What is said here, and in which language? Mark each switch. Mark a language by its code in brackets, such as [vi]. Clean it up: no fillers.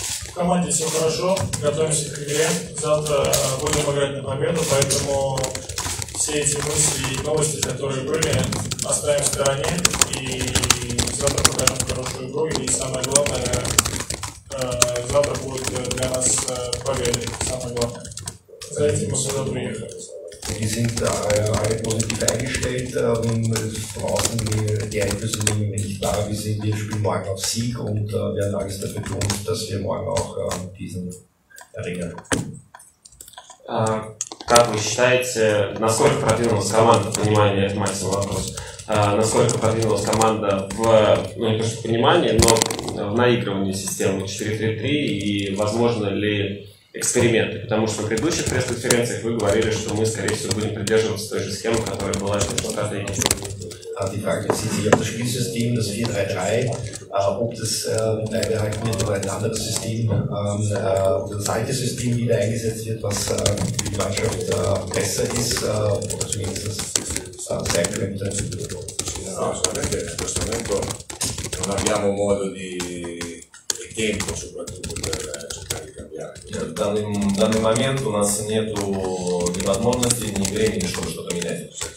[ru] В команде все хорошо, готовимся к игре. Завтра будем играть на победу, поэтому... Все эти мысли и новости, которые были, оставим в стороне и завтра покажем хорошую игру. И самое главное, завтра будет для нас победа. Самое главное. За этим мы сюда приехали. [de] Wir sind alle positiv eingestellt, draußen die Einflüsse nehmen wir nicht wahr. Wir sind hier spielen morgen auf Sieg und werden alles dafür tun, dass wir morgen auch diesen erringen. [ru] Как вы считаете, насколько продвинулась команда, понимание, это Максима вопрос, насколько продвинулась команда в, ну не то что в понимании, но в наигрывании системы 4-3-3 и возможно ли эксперименты? Потому что в предыдущих пресс-конференциях вы говорили, что мы, скорее всего, будем придерживаться той же схемы, которая была в Спартаке. [de] Die Frage bezieht sich auf das Spielsystem, das 4-3-3, ob das beibehalten wird oder ein anderes System, das alte System wieder eingesetzt wird, was für die Mannschaft besser ist, oder zumindest sein könnte. [it] Assolutamente, in questo momento non abbiamo modo di tempo, soprattutto per cercare di cambiare. In questo momento non abbiamo né [ru] возможности, [it] né [ru] времени, чтобы что-то менять.